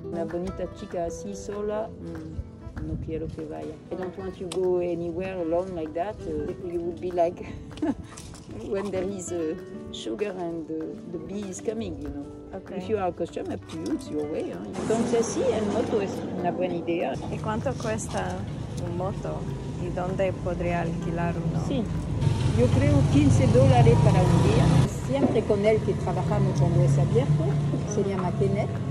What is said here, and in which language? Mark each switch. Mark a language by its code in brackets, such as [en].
[es] Bonita chica así sola, no quiero que vaya. [en] I don't want you to go anywhere alone like that. You would be like when there is sugar and the bee is coming, you know. Okay. If you are a customer, up to you, it's your way. [es] Entonces sí, el moto es una buena idea. ¿Y cuánto cuesta un moto? ¿Y dónde podría alquilar uno? Sí, yo creo $15 para un día. Siempre con él que trabajamos cuando es abierto, se llama Kenneth.